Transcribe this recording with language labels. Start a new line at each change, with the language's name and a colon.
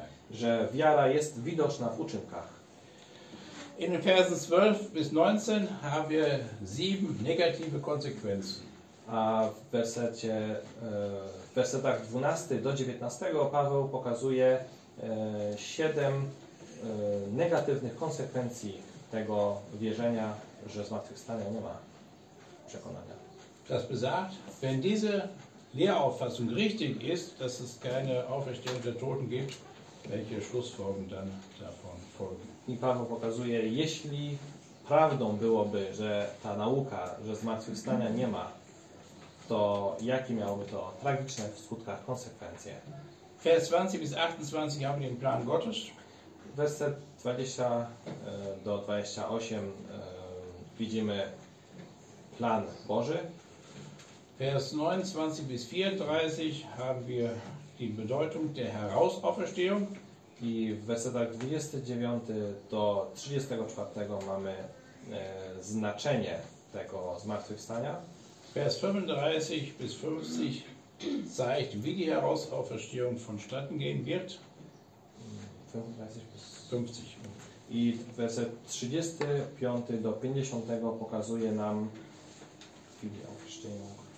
Polish: Że wiara jest widoczna w uczynkach.
German: In den Versen 12 bis 19 haben wir sieben negative Konsequenzen.
Polish: A w wersecie, w wersetach 12 do 19 Paweł pokazuje siedem negatywnych konsekwencji tego wierzenia, że zmartwychwstania nie ma przekonania.
German: Das besagt, wenn diese Lehrauffassung richtig ist, dass es keine Auferstehung der Toten gibt, welche Schlussfolgerungen dann davon folgen.
Polish: I Paweł pokazuje, jeśli prawdą byłoby, że ta nauka, że zmartwychwstania nie ma, to jakie miałoby to tragiczne w skutkach konsekwencje?
German: Vers 20 bis 28 haben den Plan Gottes.
Polish: Werset 20 do 28 widzimy plan Boży.
German: Vers 29 bis 34 haben wir die Bedeutung der Herausauferstehung.
Polish: I w wersetach 29 do 34 mamy znaczenie tego zmartwychwstania.
German: Vers 35 bis 50 zeigt, wie die Herausauferstehung vonstatten gehen wird. 35 bis 50.
Polish: I werset 35 do 50 pokazuje nam,
German: wie die Auferstehung